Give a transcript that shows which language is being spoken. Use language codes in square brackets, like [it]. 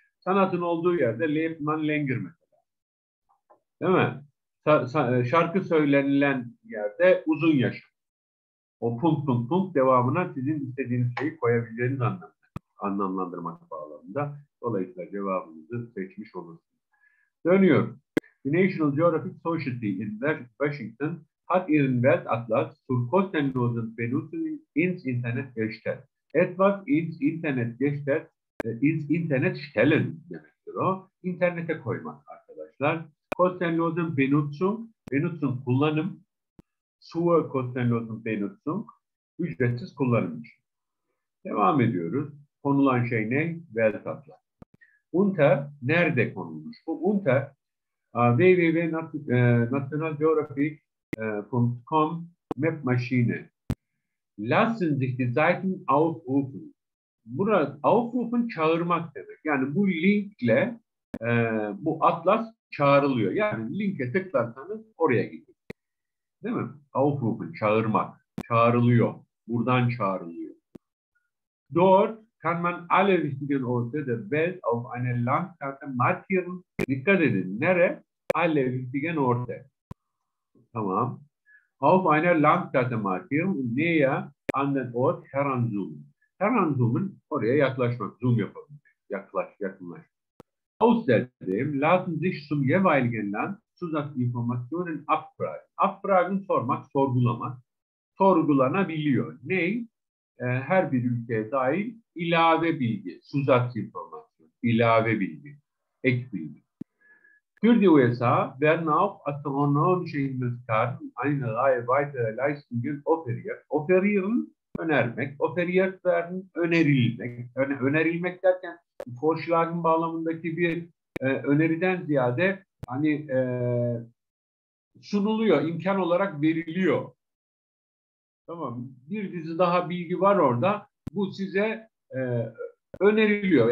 [tr] Sanatın olduğu yerde Leipman Lenger mesela. Değil mi? Şarkı söylenilen yerde uzun yaşam. O punk punk punk devamına sizin istediğiniz şeyi koyabileceğiniz anlamlandırmak bağlamında. Dolayısıyla cevabınızı seçmiş olursunuz. Dönüyorum. [de] The National Geographic Society in Washington hat ihren Welt Atlas zur kostenlosen Benutzung ins Internet gestellt. Etwas ins Internet gestellt, ins Internet stellen [tr] demektir o. İnternete koymak arkadaşlar. [de] Kostenlosen Benutzung, Benutzung kullanım, zur kostenlosen Benutzung, [tr] ücretsiz kullanım için. Devam ediyoruz. Konulan şey ne? Weltatlas. Unter, nerede konulmuş? [de] Bu Unter, www.nationalgeographic.com, Map Machine, Lassen sich die Seiten aufrufen. [tr] Burada aufrufen çağırmak demek. Yani bu linkle bu atlas çağrılıyor. Yani linke tıklarsanız oraya gidiyor. Değil mi? Aufrufen, çağırmak. Çağrılıyor. Buradan çağrılıyor. [de] Dort kann man alle wichtigen Orte der Welt auf eine Landkarte markieren. [tr] Dikkat edin. Nere? [de] Alle wichtigen Orte. [tr] Tamam. [de] Auf eine Landkarte markieren. Nähe an den Ort heranzoomen. [tr] Heranzoomen, oraya yaklaşmak. Zoom yapalım. Yaklaş, yakınlaş. [de] Außerdem lassen sich zum jeweiligen Land Zusatzinformationen abfragen. [tr] Abfragen sormak, sorgulamak. Sorgulanabiliyor. Ne? Her bir ülkeye dair ilave bilgi. Zusatzinformation. İlave bilgi. Ek bilgi. [de] Für die USA werden auch astronomische Himmelskarten eine Reihe weiterer Leistungen offeriert. Offerieren, önermek. Offeriert werden, önerilmek. [tr] Önerilmek derken Vorschlagen bağlamındaki bir öneriden ziyade hani sunuluyor, imkan olarak veriliyor. Tamam, bir dizi daha bilgi var orada. Bu size öneriliyor.